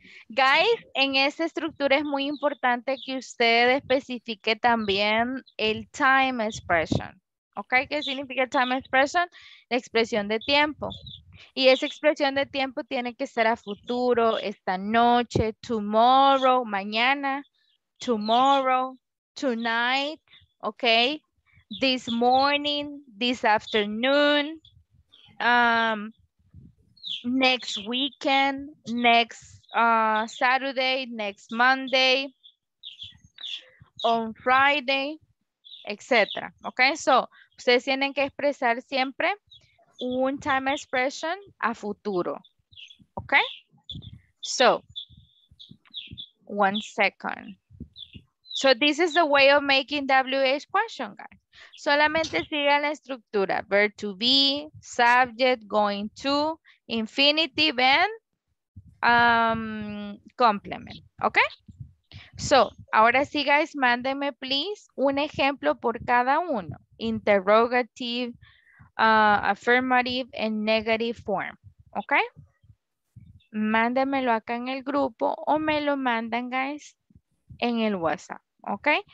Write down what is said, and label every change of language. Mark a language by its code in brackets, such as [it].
[es] Guys, en esa estructura es muy importante que usted especifique también el time expression. ¿Ok? ¿Qué significa el time expression? La expresión de tiempo. Y esa expresión de tiempo tiene que ser a futuro, esta noche, tomorrow, mañana, [en] tomorrow, tonight, [es] ¿ok? [en] This morning, this afternoon, next weekend, next Saturday, next Monday, on Friday, etc. [es] ¿Ok? So, ustedes tienen que expresar siempre un time expression a futuro. ¿Ok? [en] So, one second. So, this is the way of making WH question, guys. [es] Solamente siga la estructura. [en] Verb to be, subject, going to, infinitive, and complement. ¿Ok? [es] So, ahora sí, guys, mándenme, please, un ejemplo por cada uno. [en] Interrogative, affirmative, and negative form. ¿Ok? [es] Mándenmelo acá en el grupo o me lo mandan, guys, en el WhatsApp. ¿Ok?